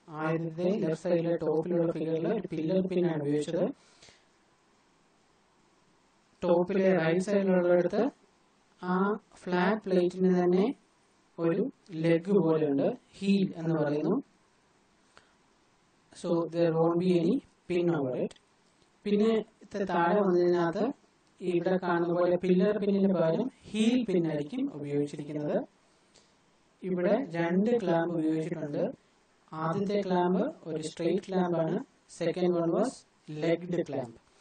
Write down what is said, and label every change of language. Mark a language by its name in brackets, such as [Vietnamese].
[Malayalam] ആദ്യത്തെ ലെഫ്റ്റ് സൈഡിലെ ടോപ്പിലുള്ള ഫിഗറിൽ ഒരു പില്ലർ പിൻ ആണ് ഉപയോഗിച്ചത്. ടോപ്പിലെ റൈറ്റ് സൈഡിലുള്ളടുത്ത് ആ ഫ്ലാറ്റ് പ്ലേറ്റിന് തന്നെ ഒരു ലെഗ് പോലെയുണ്ട്, ഹീൽ എന്ന് പറയുന്നു. [English] So there won't be any pin over it. [Malayalam] പിന്നെ ഇത്ര താഴെ വന്നതിനകത്ത് ഇവിടെ കാണുന്ന പോലെ പില്ലർ പിന്നിന് പകരം ഹീൽ പിന്നായിരിക്കും ഉപയോഗിച്ചിരിക്കുന്നത്. ഇവിടെ രണ്ട് ക്ലാമ്പ് ഉപയോഗിച്ചിട്ടുണ്ട്. ആദ്യത്തെ ക്ലാമ്പ് ഒരു straight ക്ലാമ്പാണ്, [English] Second one was legged clamp.